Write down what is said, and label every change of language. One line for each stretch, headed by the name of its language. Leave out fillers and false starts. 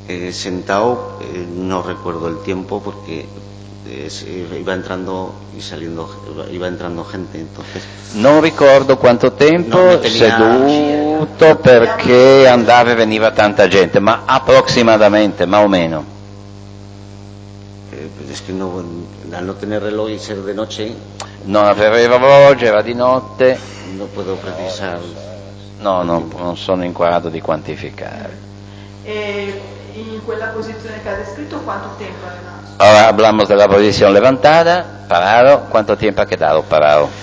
Spanish: Sentado, no recuerdo el tiempo porque iba entrando y saliendo, iba entrando gente, entonces
Italian: no ricordo quanto tempo seduto perché andava e veniva tanta gente, ma approximadamente, ma o meno.
Spanish: Es que no, al no tener reloj y ser de noche,
Italian: non aveva orologio, era di notte,
Spanish: no puedo precisar.
Italian: No, no, non sono in grado di quantificare. In quella posizione che ha descritto, quanto tempo è rimasto?
Spanish: Allora, hablamos de la posición levantada, parado,
Italian: quanto tempo
Spanish: ha quedado parado?